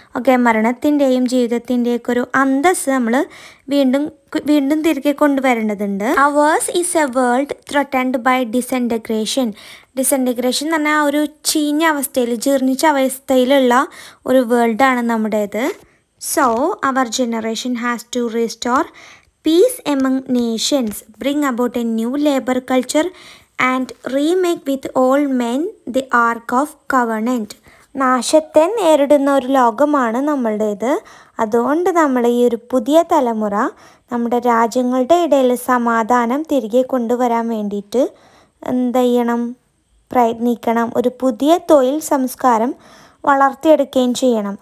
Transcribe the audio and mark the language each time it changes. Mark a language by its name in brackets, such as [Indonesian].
[Malayalam] Okay, മരണത്തിൻ്റെയും ജീവിതത്തിൻ്റെയും ഒക്കെ ഒരു അന്തസ് നമ്മൾ വീണ്ടും തിരികെ കൊണ്ടുവരേണ്ടതുണ്ട്. [English] Ours is a world threatened by disintegration. [Malayalam] Disintegration എന്ന് പറഞ്ഞാൽ ഒരു ചീഞ്ഞ അവസ്ഥയിൽ, ജീർണിച്ച അവസ്ഥയിലുള്ള ഒരു വേൾഡാണ് നമ്മുടേത്. So our generation has to restore [English] peace among nations, bring about a new labor culture, and remake with all men the ark of covenant. [Malayalam] നാശത്തെ നേരിടുന്ന ഒരു ലോകമാണ് നമ്മളുടേത്. അതുകൊണ്ട് നമ്മൾ ഈ ഒരു പുതിയ തലമുറ നമ്മുടെ രാജ്യങ്ങളുടെ ഇടയിൽ സമാധാനം തിരികെ കൊണ്ടുവരാൻ വേണ്ടിയിട്ട് എന്തു ചെയ്യണം, പ്രയത്നിക്കണം. ഒരു പുതിയ തൊഴിൽ സംസ്കാരം വളർത്തിയെടുക്കുകയും ചെയ്യണം.